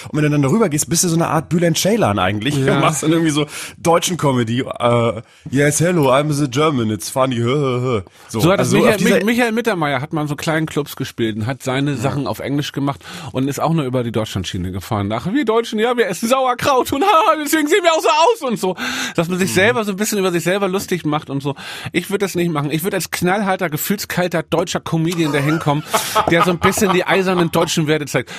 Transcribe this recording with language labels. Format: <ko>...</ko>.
<de>Und wenn du dann darüber gehst, bist du so eine Art Bülent Ceylan eigentlich. Ja. Du machst dann irgendwie so deutschen Comedy.</de> <en>Yes, hello, I'm the German, it's funny.</en> <de>So hat also Michael Mittermeier hat mal so kleinen Clubs gespielt und hat seine Sachen auf Englisch gemacht und ist auch nur über die Deutschlandschiene gefahren. Nach wir Deutschen, ja, wir essen Sauerkraut und deswegen sehen wir auch so aus und so. Dass man sich selber so ein bisschen über sich selber lustig macht und so. Ich würde das nicht machen. Ich würde als knallharter, gefühlskalter deutscher Comedian da hinkommen, der so ein bisschen die eisernen deutschen Werte zeigt.</de>